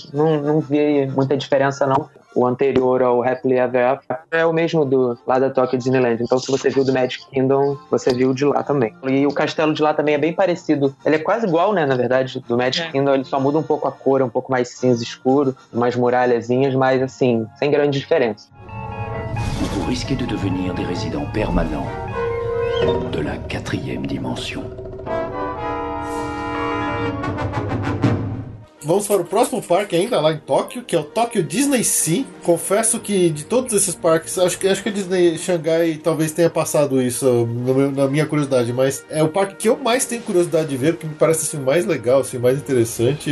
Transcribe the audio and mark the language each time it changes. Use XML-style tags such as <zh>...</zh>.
<pt>Não vi muita diferença, não. O anterior ao Happily Ever After é o mesmo do lá da Tokyo Disneyland. Então, se você viu do Magic Kingdom, você viu de lá também. E o castelo de lá também é bem parecido. Ele é quase igual, né, na verdade, do Magic Kingdom. Ele só muda um pouco a cor, é um pouco mais cinza escuro, umas muralhazinhas, mas, assim, sem grande diferença.</pt> <fr>Vous risquez de devenir des résidents permanents de la quatrième dimension.</fr> <pt>Vamos para o próximo parque ainda, lá em Tóquio, que é o Tóquio DisneySea. Confesso que de todos esses parques, acho que a Disney Xangai talvez tenha passado isso na minha curiosidade, mas é o parque que eu mais tenho curiosidade de ver, porque me parece assim, mais legal, assim, mais interessante.</pt>